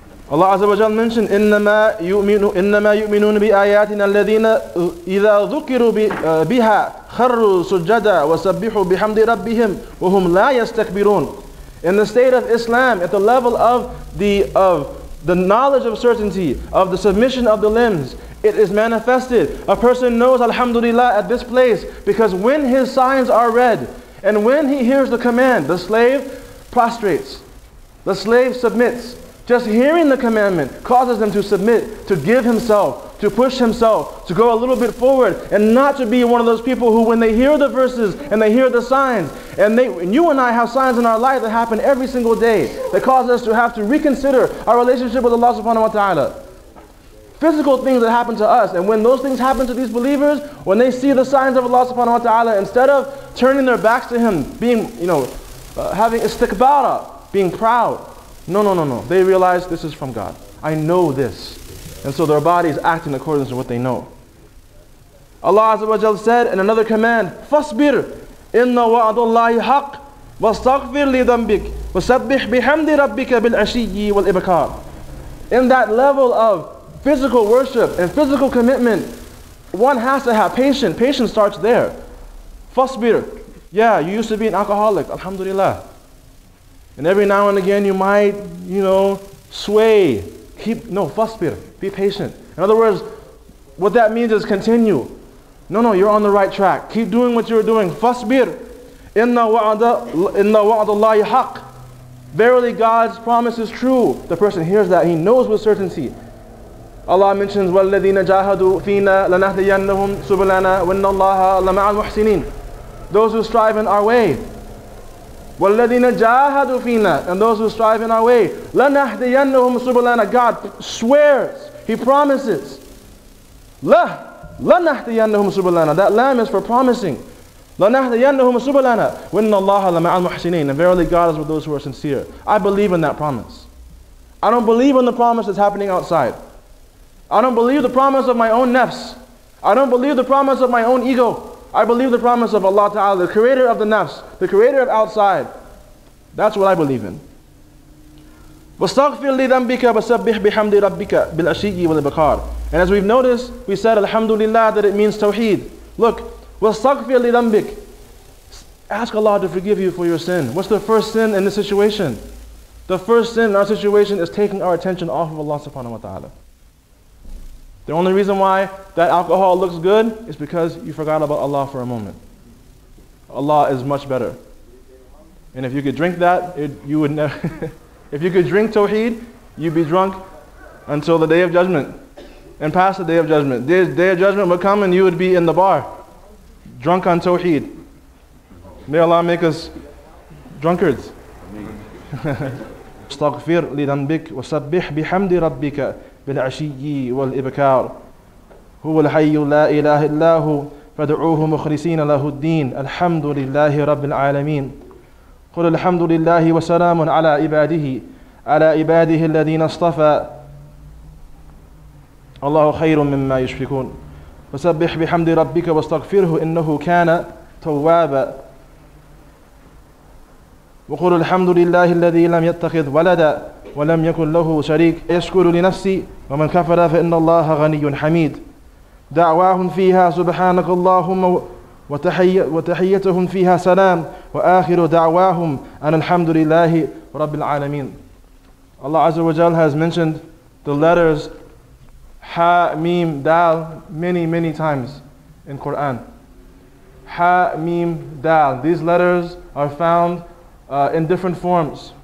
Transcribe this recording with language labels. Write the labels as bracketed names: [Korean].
[Arabic] Allah Azza wa Jalla mentioned, إِنَّمَا يُؤْمِنُونَ بِآيَاتِنَا الَّذِينَ إِذَا ذُكِّرُوا بِهَا خَرُّوا سُجَّدًا وَسَبِّحُوا بِحَمْدِ رَبِّهِمْ وَهُمْ لَا يَسْتَكْبِرُونَ. [English] In the state of Islam, at the level of the knowledge of certainty, of the submission of the limbs, it is manifested. A person knows Alhamdulillah at this place, because when his signs are read, and when he hears the command, the slave prostrates, the slave submits. Just hearing the commandment causes them to submit, to give himself, to push himself, to go a little bit forward, and not to be one of those people who, when they hear the verses and they hear the signs, and you and I have signs in our life that happen every single day that cause us to have to reconsider our relationship with Allah subhanahu wa ta'ala. Physical things that happen to us, and when those things happen to these believers, when they see the signs of Allah subhanahu wa ta'ala, instead of turning their backs to him, being, you know, having istikbara, being proud, No. They realize this is from God. I know this. And so their body is acting according to what they know. [Arabic] Allah Azza wa Jalla said in another command, فَاصْبِرْ إِنَّ وَعَدُ اللَّهِ حَقٌّ وَاسْتَغْفِرْ لِذَنْبِكَ وَسَبِّحْ بِحَمْدِ رَبِّكَ بِالْعَشِيِّ وَالْإِبْكَارِ. [English] In that level of physical worship and physical commitment, one has to have patience. Patience starts there. فَاصْبِرْ. Yeah, you used to be an alcoholic. Alhamdulillah. And every now and again you might, sway. Fasbir, be patient. In other words, what that means is continue. No, you're on the right track. Keep doing what you're doing. Fasbir. Inna wa'adallahi haqq. Verily God's promise is true. The person hears that, he knows with certainty. [Arabic] Allah mentions, وَالَّذِينَ جَاهَدُوا فِينَا لَنَهْدِيَنَّهُمْ سُبُلَنَا وَإِنَّ اللَّهَ لَمَعَ الْمُحْسِنِينَ. [English] Those who strive in our way. وَالَّذِينَ جَاهَدُوا فِينَا, and those who strive in our way. لَنَهْدِيَنَّهُمْ سُبُلَنَا. God swears, he promises. [Arabic] لَنَهْدِيَنَّهُمْ سُبُلَنَا. [English] That lamb is for promising. [Arabic] لَنَهْدِيَنَّهُمْ سُبُلَنَا. وَإِنَّ اللَّهَ لَمَعَ الْمُحْسِنِينَ. [English] And verily God is with those who are sincere. I believe in that promise. I don't believe in the promise that's happening outside. I don't believe the promise of my own nafs. I don't believe the promise of my own ego. I believe the promise of Allah Ta'ala, the creator of the nafs, the creator of outside. [Arabic] That's what I believe in. وَاسْتَغْفِرْ لِذَنْبِكَ وَسَبِّحْ بِحَمْدِ رَبِّكَ بِالْأَشِيِّ وَالْبَكَارِ. [English] And as we've noticed, we said Alhamdulillah that it means Tawheed. [Arabic] Look, وَاسْتَغْفِرْ لِذَنْبِكَ. [English] Ask Allah to forgive you for your sin. What's the first sin in this situation? The first sin in our situation is taking our attention off of Allah Subhanahu Wa Ta'ala. The only reason why that alcohol looks good is because you forgot about Allah for a moment. Allah is much better. And if you could drink that, you would never. If you could drink Tawheed, you'd be drunk until the Day of Judgment and past the Day of Judgment. The Day of Judgment would come and you would be in the bar, drunk on Tawheed. May Allah make us drunkards. [Arabic] استغفر لذنبك وسبح بحمد ربك. بالعشي والإبكار هو الحي لا إله إلا هو فادعوه مخلصين له الدين الحمد لله رب العالمين قل الحمد لله وسلام على عباده الذين اصطفى الله خير مما يشركون وسبح بحمد ربك واستغفره إنه كان توابا وقل الحمد لله الذي لم يتخذ ولدا ولم يكن له شريك يشكر لنفسي ومن كفر فإن الله غني حميد دعواهم فيها سبحانك اللهم وتحيتهم فيها سلام وآخر دعواهم أن الحمد لله رب العالمين. [English] Allah Azza wa Jal has mentioned the letters Ha, Mim, Dal many, many times in Quran. Ha, Mim, Dal. These letters are found in different forms.